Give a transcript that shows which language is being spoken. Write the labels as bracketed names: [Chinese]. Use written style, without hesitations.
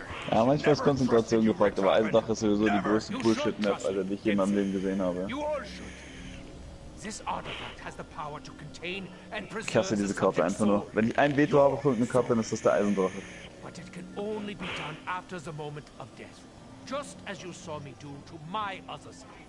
[German] Ja, manchmal ist Konzentration gefragt, aber eine Sache ist sowieso die größte Bullshit-Map, also die ich je in meinem Leben gesehen habe. [English] This artifact has the power to contain and preserve. [German] Ich hasse diese Karte einfach nur. Wenn ich ein Veto habe für eine Karte, dann ist das der Eisendrache. [English] But it can only be done after the moment of death, just as you saw me do to my other side.